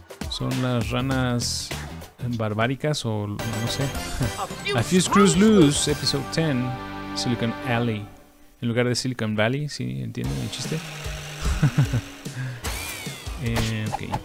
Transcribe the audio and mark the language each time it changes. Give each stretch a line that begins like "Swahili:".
Spanish: Son las ranas barbáricas o no sé.
English: A few screws loose, episode 10. Silicon Alley.
Spanish: En lugar de Silicon Valley, sí, entienden el chiste. ok.